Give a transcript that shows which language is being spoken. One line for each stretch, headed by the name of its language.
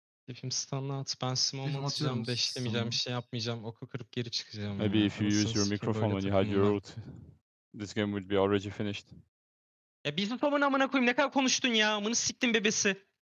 Turkish: Şefim stun'la at, ben simon atacağım, beşlemeyeceğim, bir şey yapmayacağım, oku kırıp geri çıkacağım.
English: Maybe yani. If you use your microphone when you had your ult, this game would be already finished.
Turkish: Ya bizim tomun amına koyayım, ne kadar konuştun ya, amını siktin bebesi.